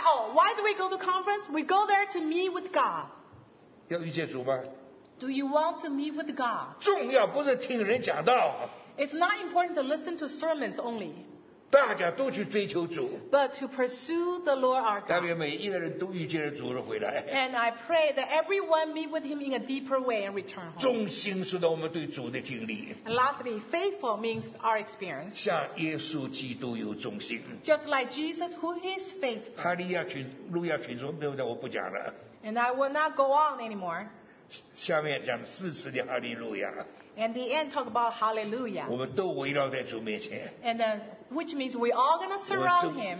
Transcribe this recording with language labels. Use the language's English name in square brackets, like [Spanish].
[English] Oh, why do we go to conference? We go there to meet with God。 [Chinese] 要遇见主吗 [English] ？Do you want to meet with God？ [Chinese] 重要不是听人讲道。 [English] It's not important to listen to sermons only. [Chinese] 大家都去追求主。 [English] But to pursue the Lord our God. [Chinese] 代表每一个人都遇见了主回来。 [English] And I pray that everyone meet with Him in a deeper way and return home. [Chinese] 忠心是我们对主的经历。 [English] And lastly, faithful means our experience. [Chinese] 像耶稣基督有忠心。 [English] Just like Jesus, who is faithful. [Chinese] 哈利亚群、路亚群说，没有的我不讲了。 [English] And I will not go on anymore. [Chinese] 下面讲四次的哈利路亚。 [English] And the end talk about hallelujah. [Chinese] 我们都围绕在主面前。 [English] And then, which means we're all going to surround him.